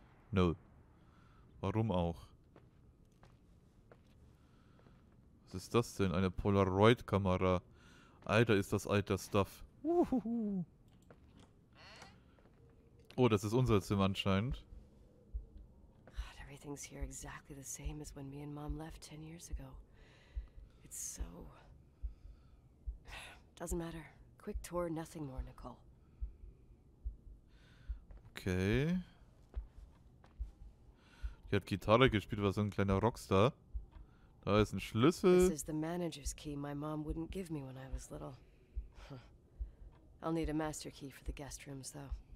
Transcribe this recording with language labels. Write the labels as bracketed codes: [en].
[de] Nö. Warum auch? Was ist das denn? Eine Polaroid-Kamera. Alter, ist das alter Stuff. Uhuhu. Oh, das ist unser Zimmer anscheinend. [en] Things here exactly the same as when me and Mom left 10 years ago. It's so... Doesn't matter. Quick tour, nothing more, Nicole. Okay. [de] Die hat Gitarre gespielt, war so ein kleiner Rockstar. Da ist ein Schlüssel. [en] This is the manager's key my mom wouldn't give me when I was little. I'll need a master key for the guest rooms, though.